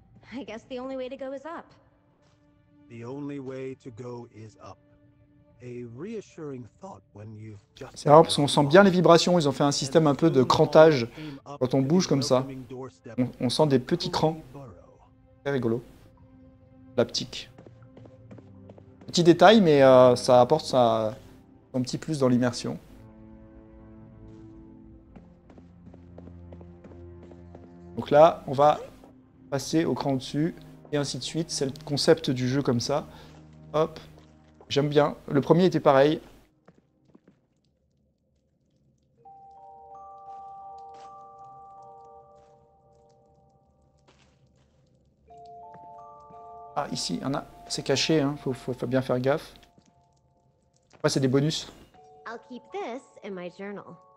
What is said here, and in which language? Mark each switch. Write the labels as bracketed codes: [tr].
[en] I guess the only way to go is up. The only way to go is up. A reassuring thought when you've just... [fr] C'est rare parce qu'on sent bien les vibrations, ils ont fait un système un peu de crantage. Quand on bouge comme ça, on sent des petits crans. Très rigolo. L'aptique. Petit détail, mais ça apporte son petit plus dans l'immersion. Donc là, on va... passer au cran au-dessus, et ainsi de suite, c'est le concept du jeu comme ça. Hop, j'aime bien, le premier était pareil. Ah, ici, il y en a, c'est caché, hein. faut bien faire gaffe. Ouais, c'est des bonus. [en] I'll keep this in my journal.